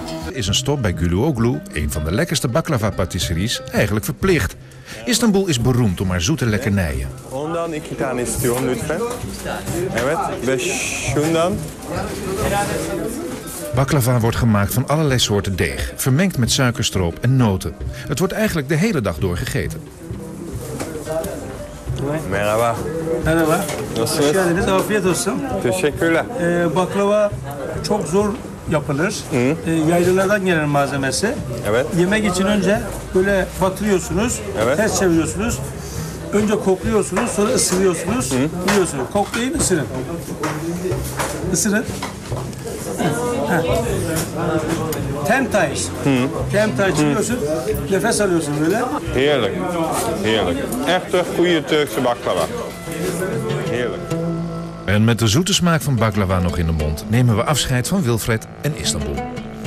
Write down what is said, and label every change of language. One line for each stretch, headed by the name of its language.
Dutch: Is een stop bij Güloğlu, een van de lekkerste baklava patisseries, eigenlijk verplicht. Istanbul is beroemd om haar zoete lekkernijen.
Turkish: Ondan iki tane istiyorum lütfen. Evet, ve şundan.
Dutch: Baklava wordt gemaakt van allerlei soorten deeg, vermengd met suikerstroop en noten. Het wordt eigenlijk de hele dag door gegeten.
Turkish: Merhaba. Merhaba. Nasılsınız? Hoş geldiniz. Afiyet olsun. Teşekkürler. Baklava çok zor yapılır. Yaylılardan gelen malzemesi. Evet. Yemek için önce böyle batırıyorsunuz, evet. Ters çeviriyorsunuz. Önce kokluyorsunuz, sonra ısırıyorsunuz. Biliyorsunuz. Koklayın, ısırın. Isırın. Temtayız. Temtayız çıkıyorsun, nefes alıyorsun böyle.
Dutch: Heerlijk, heerlijk. Echt een goede Turkse baklava. Heerlijk. En met de zoete smaak van baklava nog in de mond, nemen we afscheid van Wilfred en Istanbul.